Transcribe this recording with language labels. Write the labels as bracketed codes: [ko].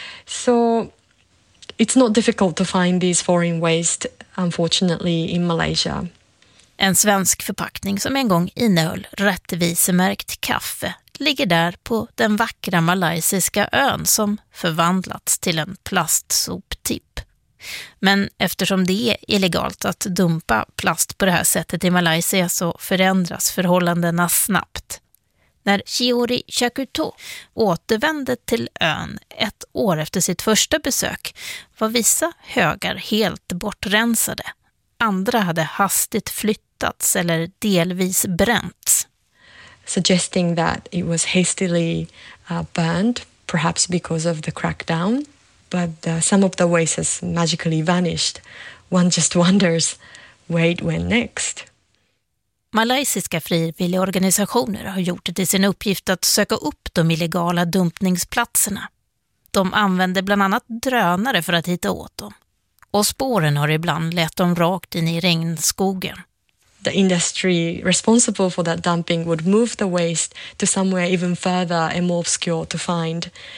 [en] So it's not difficult to find these foreign waste, unfortunately, in Malaysia. [sv] En svensk förpackning som en gång innehöll rättvisemärkt kaffe ligger där på den vackra malaysiska ön som förvandlats till en plastsoptipp. Men eftersom det är illegalt att dumpa plast på det här sättet i Malaysia så förändras förhållandena snabbt. När Chiori Chakuto återvände till ön ett år efter sitt första besök var vissa högar helt bortrensade. Andra hade hastigt flyttats eller delvis bränts. [en] Suggesting that it was hastily burned, perhaps because of the crackdown, but some of the waste has magically vanished. One just wonders where it went next. [sv] Malaysiska frivilliga organisationer har gjort det till sin uppgift att söka upp de illegala dumpningsplatserna. De använder bland annat drönare för att hitta åt dem. Och spåren har ibland lett dem rakt in i regnskogen. [en] The industry responsible for that dumping would move the waste to somewhere even further and more obscure to find.